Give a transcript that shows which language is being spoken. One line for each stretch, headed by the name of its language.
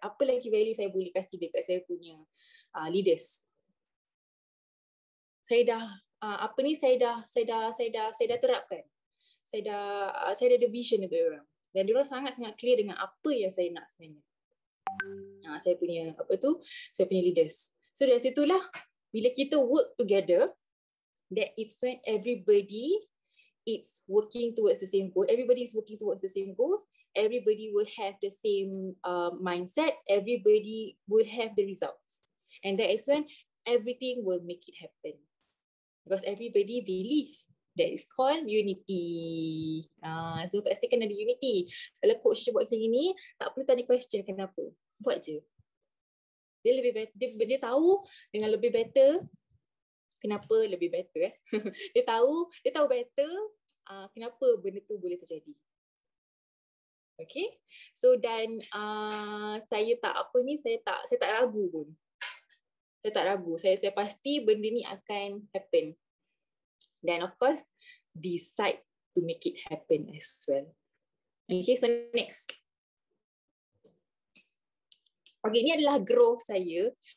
Malay: Apa lagi value saya boleh kasih dekat saya punya leaders? Saya dah, apa ni, saya dah terapkan. Saya dah ada vision dekat orang. Dan dia orang sangat-sangat clear dengan apa yang saya nak sebenarnya. Saya punya, apa tu, saya punya leaders.
English: So,
Malay: dari situlah, bila kita
English: work together, that it's when everybody is working towards the same goal. Everybody is working towards the same goals. Everybody will have the same mindset. Everybody will have the results. And that is when everything will make it happen. Because everybody believe that is called unity.
Malay: So kat sini kan ada unity. Kalau coach je buat macam ini, tak perlu tanya question kenapa. Buat je. Dia lebih better. Dia tahu dengan lebih better. Kenapa lebih better dia tahu better kenapa benda tu boleh terjadi. Okay. So dan saya tak ragu pun. Saya pasti benda ni akan happen.
English: Then of course decide to make it happen as well. Okay, so next.
Malay: Okay, ni adalah growth saya.